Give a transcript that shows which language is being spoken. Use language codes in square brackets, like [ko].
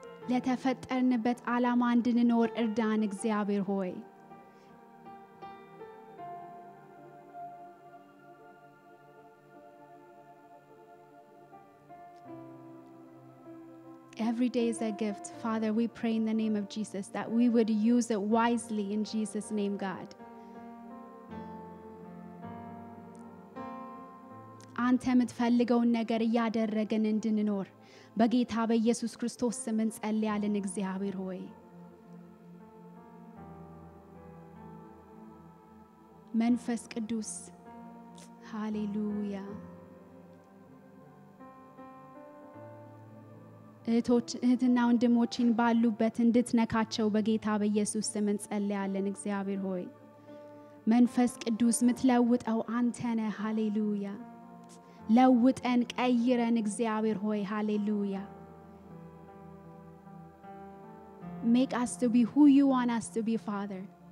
[am] ለተፈጠርንበት ዓላማ እንድንኖር እርዳን እግዚአብሔር ሆይ [en] Every day is a gift. Father, we pray in the name of Jesus that we would use it wisely in Jesus' name, God. [am] አንተም ትፈልገው ነገር ያደረገን እንድንኖር በጌታ በኢየሱስ ክርስቶስ ስም እንጸልያለን እግዚአብሔር ሆይ መንፈስ ቅዱስ ሃሌሉያ እህትና ወንድሞችን ባሉበት እንድትነካቸው በጌታ በኢየሱስ ስም እንጸልያለን እግዚአብሔር ሆይ መንፈስ ቅዱስ ምትለውጠው አንተ ነህ ሃሌሉያ ለውጠን ቀይረን እግዚአብሔር ሆይ ሃሌሉያ [en] Make us to be who you want us to be, Father.